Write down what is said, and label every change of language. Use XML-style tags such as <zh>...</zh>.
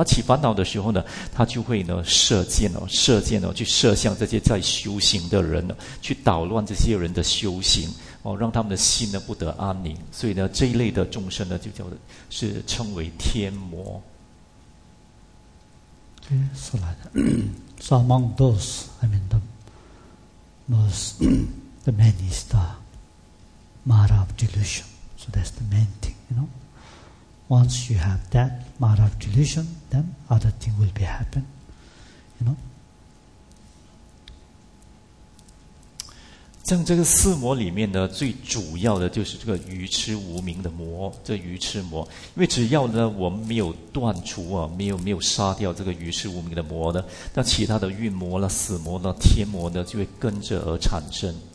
<zh>他起烦恼的时候呢，他就会呢射箭去射向这些在修行的人呢，去捣乱这些人的修行哦，让他们的心呢不得安宁。所以呢，这一类的众生呢，就叫是称为天魔。</zh> <en>So, like so among those, I mean, the most, the main is the matter of delusion. So that's the main thing, you know. Once you have that matter of delusion, then other things will be happen, you know.</en> <zh>像这个四魔里面呢，最主要的就是这个愚痴无明的魔，这愚痴魔。因为只要呢我们没有断除啊，没有杀掉这个愚痴无明的魔呢，那其他的运魔了、死魔了、天魔呢，就会跟着而产生。</zh>